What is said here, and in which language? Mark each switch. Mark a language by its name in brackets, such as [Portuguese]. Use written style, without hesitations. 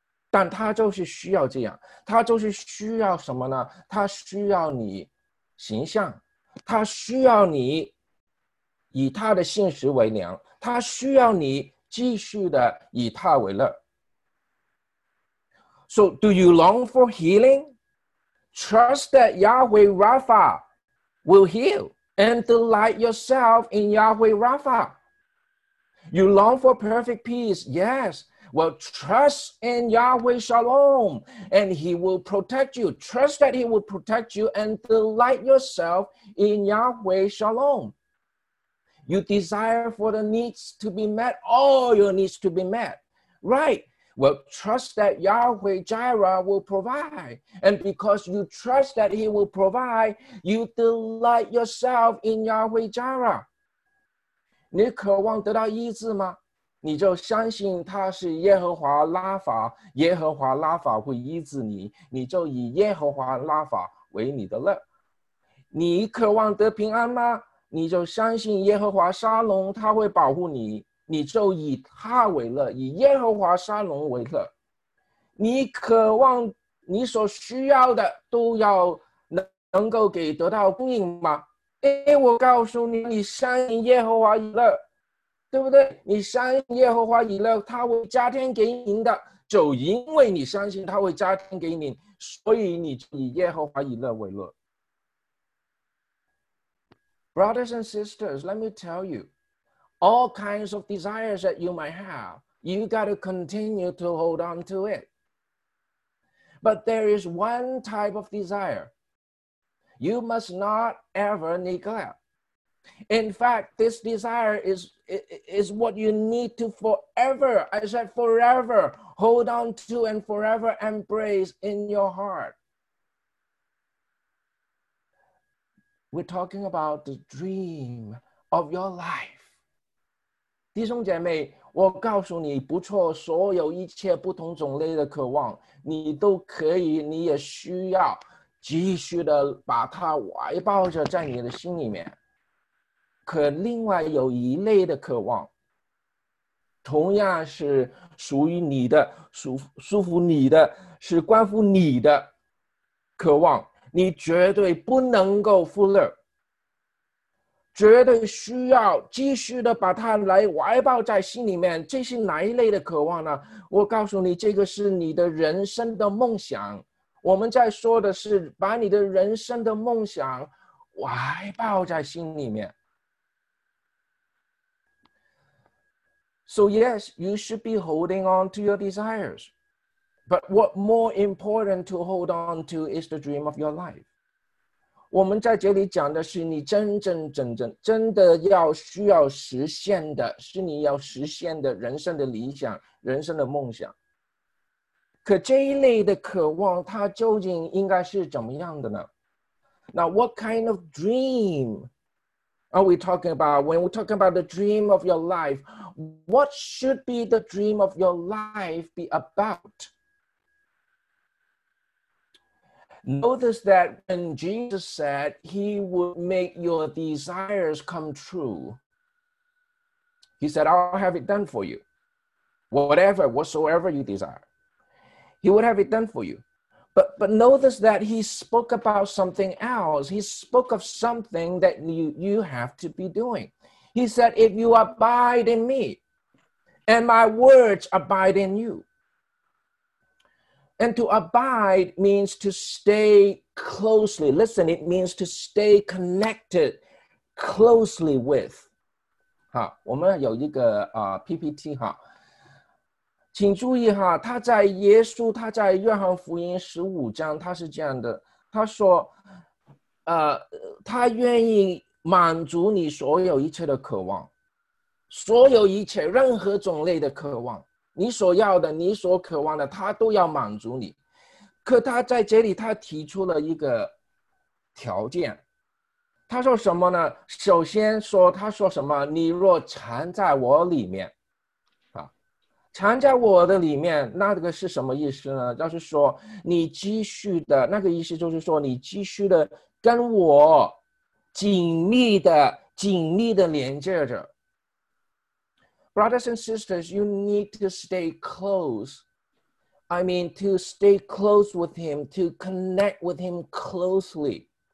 [Chinese] 但他就是需要这样，他就是需要什么呢？他需要你形象，他需要你以他的信实为粮，他需要你继续的以他为乐。 [English] So do you long for healing? Trust that Yahweh Rapha will heal and delight yourself in Yahweh Rapha. You long for perfect peace? Yes. Well, trust in Yahweh Shalom and he will protect you. Trust that he will protect you and delight yourself in Yahweh Shalom. You desire for the needs to be met, all your needs to be met, right? Well, trust that Yahweh Jireh will provide. And because you trust that he will provide, you delight yourself in Yahweh Jireh. [Chinese] 你渴望得到医治吗？你就相信他是耶和华拉法，耶和华拉法会医治你，你就以耶和华拉法为你的乐。你渴望得平安吗？你就相信耶和华沙龙他会保护你，你就以他为乐，以耶和华沙龙为乐。你渴望你所需要的都要能够给得到供应吗？哎，我告诉你，你相信耶和华以乐，对不对？你相信耶和华以乐，他会加添给你的，就因为你相信他会加添给你，所以你就以耶和华以乐为乐。 [English] Brothers and sisters, let me tell you, all kinds of desires that you might have, you got to continue to hold on to it. But there is one type of desire you must not ever neglect. In fact, this desire is what you need to forever, I said forever, hold on to and forever embrace in your heart. We're talking about the dream of your life. [Chinese] 弟兄姐妹，我告诉你，不错，所有一切不同种类的渴望，你都可以，你也需要继续的把它怀抱着在你的心里面。可另外有一类的渴望，同样是属于你的，属乎你的，是关乎你的渴望，你绝对不能够忽略，绝对需要继续的把它来怀抱在心里面。这是哪一类的渴望呢？我告诉你，这个是你的人生的梦想。我们在说的是把你的人生的梦想怀抱在心里面。 [English] So yes, you should be holding on to your desires. But what more important to hold on to is the dream of your life. [Chinese] 我们在这里讲的是你真的要需要实现的，是你要实现的人生的理想，人生的梦想。可这一类的渴望，它究竟应该是怎么样的呢？ [English] Now, what kind of dream are we talking about? When we talk about the dream of your life, what should be the dream of your life be about? Notice that when Jesus said he would make your desires come true, he said, I'll have it done for you. Whatever, whatsoever you desire. He would have it done for you. But notice that he spoke about something else. He spoke of something that you have to be doing. He said, if you abide in me, and my words abide in you. And to abide means to stay closely. Listen, it means to stay connected closely with. [Chinese] 好，我们有一个PPT 哈。请注意哈，他在耶稣，他在约翰福音十五章，他是这样的，他说，他愿意满足你所有一切的渴望，所有一切任何种类的渴望，你所要的，你所渴望的，他都要满足你。可他在这里，他提出了一个条件，他说什么呢？首先说，他说什么？你若藏在我里面。藏在我的里面，那个是什么意思呢？就是说你继续的，那个意思就是说你继续的跟我紧密的连接着。 [English] Brothers and sisters, you need to stay close. I mean, to stay close with him, to connect with him closely.